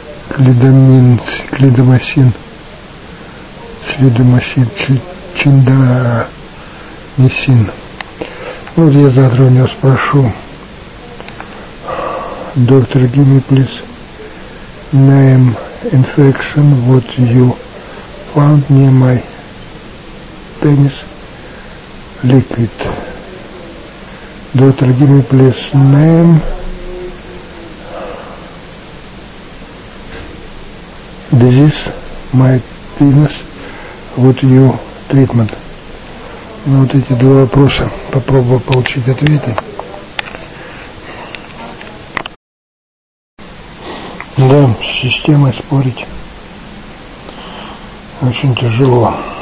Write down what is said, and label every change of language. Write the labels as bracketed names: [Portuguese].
[Russian] Клидомин, клидомасин. Клидомасин, чиндамисин. Вот я завтра у него спрошу. Доктор, [English] give me please name infection, what you found near my penis liquid. [Russian] Доктор, [English] give me please name disease my penis, what you treatment. [Russian] Ну, вот эти два вопроса попробую получить ответы. Да, с системой спорить очень тяжело.